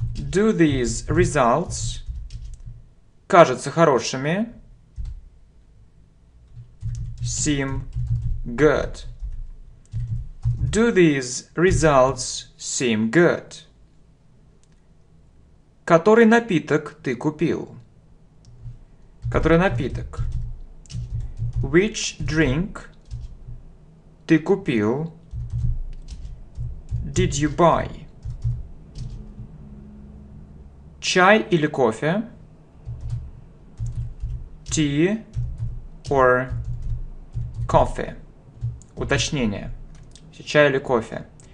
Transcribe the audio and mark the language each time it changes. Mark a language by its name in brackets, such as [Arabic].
[English] Do these results [Russian] кажутся хорошими? [English] Seem good. Do these results seem good? [Russian] Который напиток ты купил? Который напиток? [English] Which drink [Russian] ты купил? [English] Did you buy? [Russian] Чай или кофе? [English] Tea or coffee? [Russian] Уточнение. Чай или кофе?